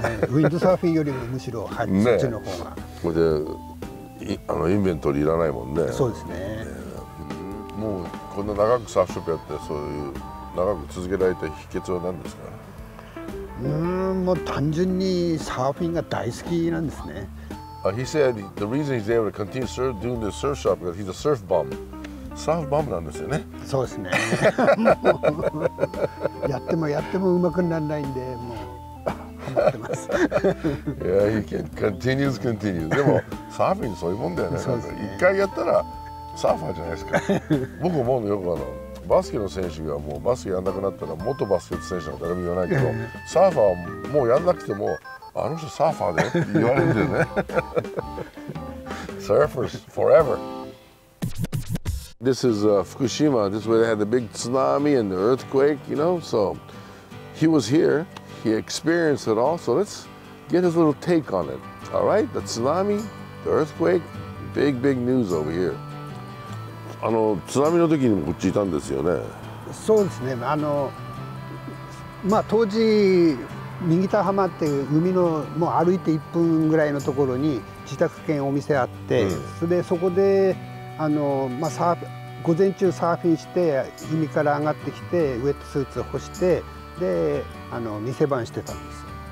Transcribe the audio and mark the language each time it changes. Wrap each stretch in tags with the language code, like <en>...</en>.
<ja>ウィンドサーフィンよりもむしろ、はい、ね、そっちの方がこれで、あのインベントリーいらないもんね。そうです ね、 ね、もうこんな長くサーフショップやって、そういう長く続けられた秘訣は何ですか？もう単純にサーフィンが大好きなんですね。</ja> <en>He said the reason he's able to continue surf, doing the surf shop because he's a surf bum.</en> <ja>サーフバムなんですよね。そうですね。やってもやってもうまくならないんで、もうハマってます。</ja> <en>Yeah, he can continues, continues.</en> <ja>でもサーフィンそういうもんだよね。そうですね。一回やったらサーファーじゃないですか。僕思うのよくあの。バスケの選手がもうバスケやんなくなったら元バスケット選手の誰も言わないけど、サーファーはもうやんなくてもあの人サーファーだよって言われるんだよね。</ja> <en>surfers forever. This is Fukushima. This is where they had the big tsunami and the earthquake, you know. So he was here. He experienced it all. So let's get his little take on it. All right, the tsunami, the earthquake, big, big news over here.</en> <ja>あの津波の時にもこっちいたんですよね。そうですね。あのまあ当時右田浜っていう海のもう歩いて1分ぐらいのところに自宅兼お店あって、うん、それでそこであのまあ午前中サーフィンして海から上がってきてウェットスーツを干してであの店番してたんです。</ja>